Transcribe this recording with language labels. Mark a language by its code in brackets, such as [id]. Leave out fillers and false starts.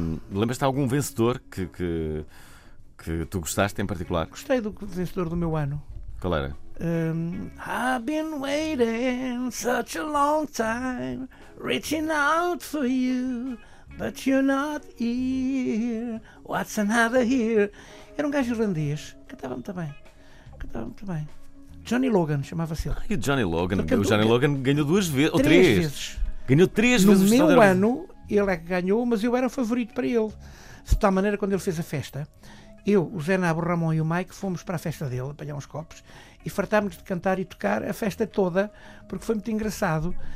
[pt] Lembras-te de algum vencedor que tu gostaste em particular? Gostei do vencedor do meu ano. Qual era? [en] I've been waiting such a long time, reaching out for you, but you're not here. What's another here? [pt] Era um gajo irlandês, cantava muito bem. Johnny Logan chamava-se ele. E o Johnny Logan? O Johnny Logan ganhou duas vezes, ou três vezes. Ganhou três vezes. No meu ano, ele é que ganhou, mas eu era o favorito para ele. De tal maneira, quando ele fez a festa, eu, o Zé Nabo, o Ramon e o Mike fomos para a festa dele, apanhar uns copos, e fartámos de cantar e tocar a festa toda, porque foi muito engraçado.